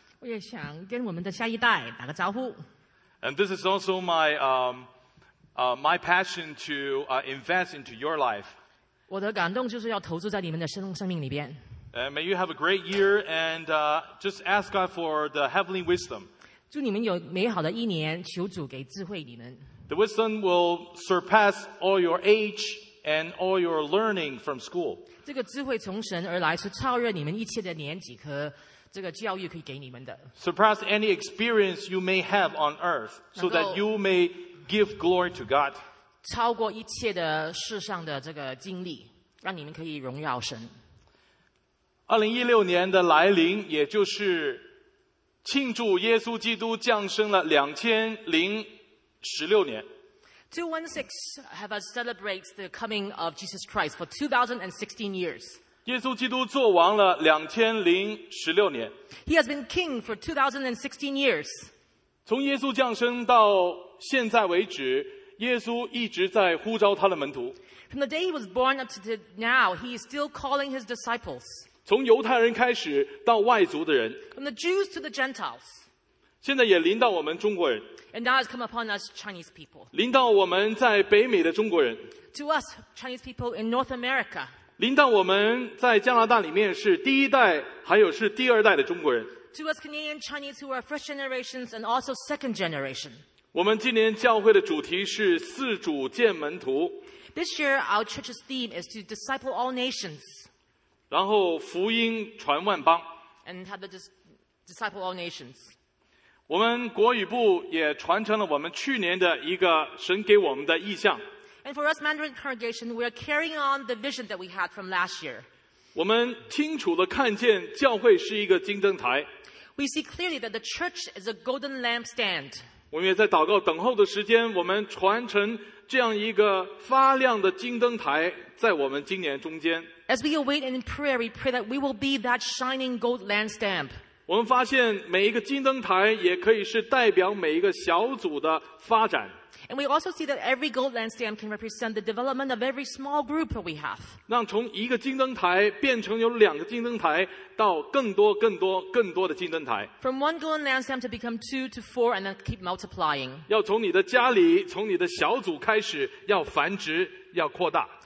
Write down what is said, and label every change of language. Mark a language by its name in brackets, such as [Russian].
[Chinese] 我也想跟我们的下一代打个招呼。 [English] And this is also my my passion to invest into your life. [Chinese] 我的感动就是要投注在你们的生命里边。 [English] And may you have a great year and just ask God for the heavenly wisdom. [Chinese] 祝你们有美好的一年，求主给智慧你们。 [English] The wisdom will surpass all your age and all your learning from school. [Chinese] 这个智慧从神而来，是超越你们一切的年纪和这个教育可以给你们的。 [English] Surpass any experience you may have on earth so that you may give glory to God. [Chinese] 超过一切的世上的这个经历，让你们可以荣耀神。 2016年的来临，也就是庆祝耶稣基督降生了2016年。 [English] 2016 have us celebrate the coming of Jesus Christ for 2016 years. [Chinese] 耶稣基督作王了2016年。 [English] He has been king for 2016 years. [Chinese] 从耶稣降生到现在为止，耶稣一直在呼召他的门徒。 [English] From the day he was born up to now, he is still calling his disciples. [Chinese] 从犹太人开始到外族的人 [English] From the Jews to the Gentiles. [Chinese] 现在也临到我们中国人 [English] And now it's come upon us Chinese people. [Chinese] 临到我们在北美的中国人 [English] To us Chinese people in North America. [Chinese] 临到我们在加拿大里面是第一代还有是第二代的中国人 [English] To us Canadian Chinese who are first generations and also second generation. [Chinese] 我们今年教会的主题是四主见门徒 [English] This year our church's theme is to disciple all nations. [Chinese] 然后福音传万邦 [English] and have the disciple all nations. [Chinese] 我们国语部也传承了我们去年的一个神给我们的意象 [English] and for us Mandarin congregation we are carrying on the vision that we had from last year. [Chinese] 我们清楚地看见教会是一个金灯台 [English] we see clearly that the church is a golden lampstand. [Chinese] 我们也在祷告等候的时间我们传承这样一个发亮的金灯台在我们今年中间 [English] As we await in prayer, we pray that we will be that shining gold lampstand. [Chinese] 我们发现每一个金灯台也可以是代表每一个小组的发展。 [English] And we also see that every gold lampstand can represent the development of every small group that we have. [Chinese] 让从一个金灯台变成有两个金灯台到更多更多更多的金灯台。 [English] From one gold lampstand to become two to four and then keep multiplying. [Chinese] 要从你的家里从你的小组开始要繁殖要扩大。